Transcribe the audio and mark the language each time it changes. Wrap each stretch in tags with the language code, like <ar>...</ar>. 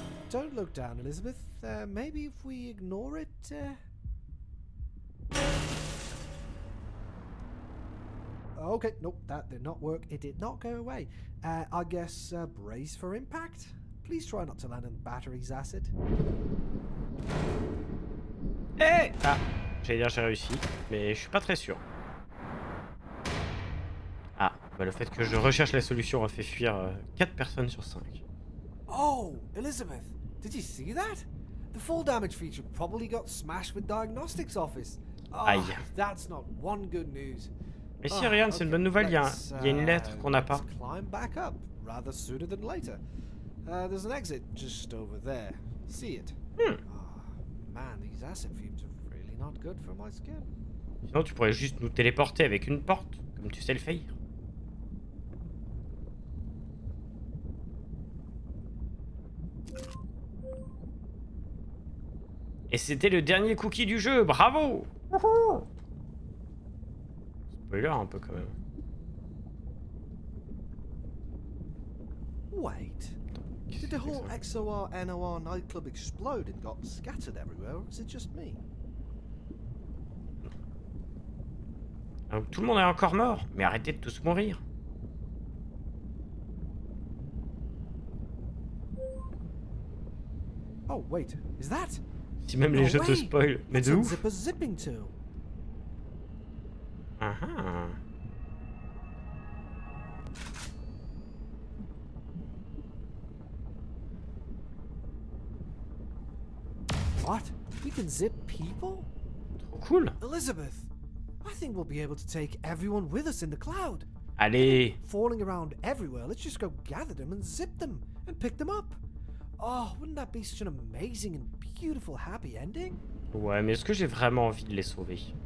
<en>Don't look down, Elizabeth. Maybe if we ignore it... Okay, nope, that did not work. It did not go away. I guess brace for impact. Please try not to land on battery's acid. Hey!</en> <fr>Ah, j'allais dire j'ai réussi, mais je suis pas très sûr. Ah, bah le fait que je recherche la solution a fait fuir 4 personnes sur 5.</fr> <en>Oh, Elizabeth, did you see that? The fall damage feature probably got smashed with diagnostics office. Oh, aïe. That's not one good news.</en> <fr>Mais si, rien, c'est une bonne nouvelle, il y a une lettre qu'on n'a pas.</fr> <en>Let's climb back up, rather sooner than later. There's an exit just over there. See it? Hmm. Oh, man, these acid fumes are really not good for my skin.</en> <fr>Sinon, tu pourrais juste nous téléporter avec une porte, comme tu sais le faire. Et c'était le dernier cookie du jeu, bravo! Wouhou! Un peu quand même.</fr> <en>Wait. Did the whole XOR NOR nightclub explode and got scattered everywhere, or is it just me?</en> <fr>Alors, tout le monde est encore mort, mais arrêtez de tous mourir.</fr> <en>Oh wait, is that?</en> <fr>Si même les jeux te spoil, mais de ouf.</fr> <en>Zip a zipping to. Uh-huh. What? We can zip people?</en> <fr>Trop cool.</fr> <en>Elizabeth, I think we'll be able to take everyone with us in the cloud.</en> <fr>Allez.</fr> <en>Falling around everywhere, let's just go gather them and zip them and pick them up. Oh, wouldn't that be such an amazing and beautiful happy ending?</en> <fr>Ouais, mais est-ce que j'ai vraiment envie de les sauver?</fr>